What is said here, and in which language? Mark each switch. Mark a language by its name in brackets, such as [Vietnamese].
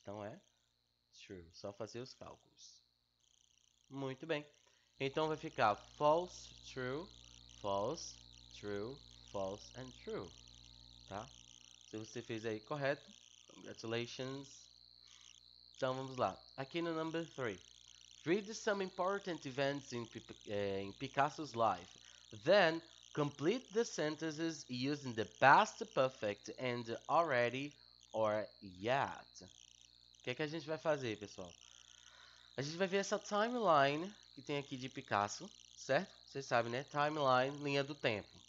[Portuguese] Então é true. Só fazer os cálculos. Muito bem. Então vai ficar [English] false, true, false, true, false and true. Tá? [Portuguese] Se você fez aí correto, congratulations. Então vamos lá. Aqui no number 3. [English] Read some important events in Picasso's life. Then complete the sentences using the past perfect and already or yet. [Portuguese] O que é que a gente vai fazer, pessoal? A gente vai ver essa timeline que tem aqui de Picasso, certo? Vocês sabem, né? Timeline, linha do tempo.